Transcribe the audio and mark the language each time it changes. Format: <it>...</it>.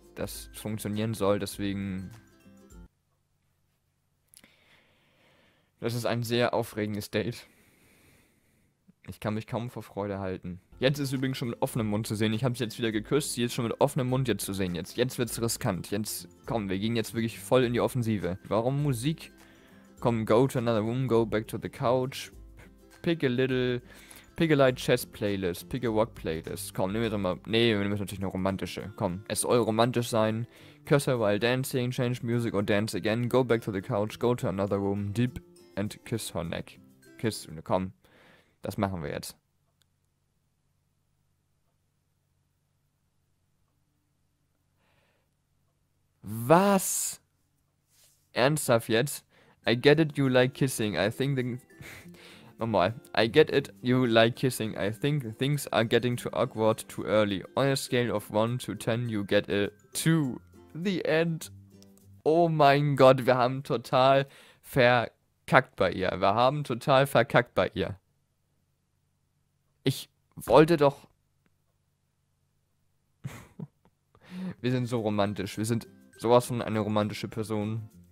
<de>das funktionieren soll. Deswegen, das ist ein sehr aufregendes Date. Ich kann mich kaum vor Freude halten. Jetzt ist sie übrigens schon mit offenem Mund zu sehen. Ich habe sie jetzt wieder geküsst. Sie ist schon mit offenem Mund jetzt zu sehen. Jetzt wird's riskant. Jetzt, komm, wir gehen jetzt wirklich voll in die Offensive. Warum Musik? Komm,</de> <en>go to another room, go back to the couch. Pick a light chess playlist, pick a rock playlist.</en> <de>Komm, nehmen wir doch mal. Nee, wir nehmen natürlich eine romantische. Komm, es soll romantisch sein.</de> <en>Kiss her while dancing, change music or dance again. Go back to the couch, go to another room, deep and kiss her neck. Kiss,</en> <de>komm. Das machen wir jetzt. Was? Ernsthaft jetzt?</de> <en>I get it, you like kissing. I think the.</en> <de>Nochmal.</de> <en>I get it, you like kissing. I think things are getting too awkward too early. On a scale of 1 to 10, you get a 2. The end.</en> <de>Oh mein Gott, wir haben total verkackt bei ihr. Wir haben total verkackt bei ihr. Ich wollte doch. Wir sind so romantisch. Wir sind sowas von eine romantische Person.</de>